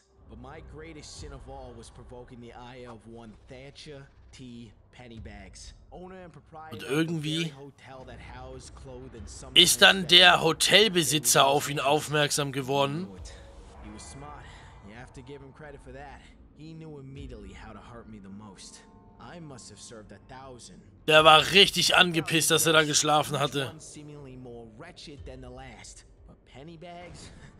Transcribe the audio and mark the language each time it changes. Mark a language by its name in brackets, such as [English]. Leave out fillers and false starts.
[English] But my greatest sin of all was provoking the ire of one Thatcher T. Pennybags, owner and proprietor of the hotel that housed, clothed, and some. [German] Ist dann der Hotelbesitzer auf ihn aufmerksam geworden? [English] He was smart. You have to give him credit for that. He knew immediately how to hurt me the most. I must have served 1,000. [German] Der war richtig angepisst, dass er da geschlafen hatte. [English] Seemingly more wretched than the last, but Pennybags.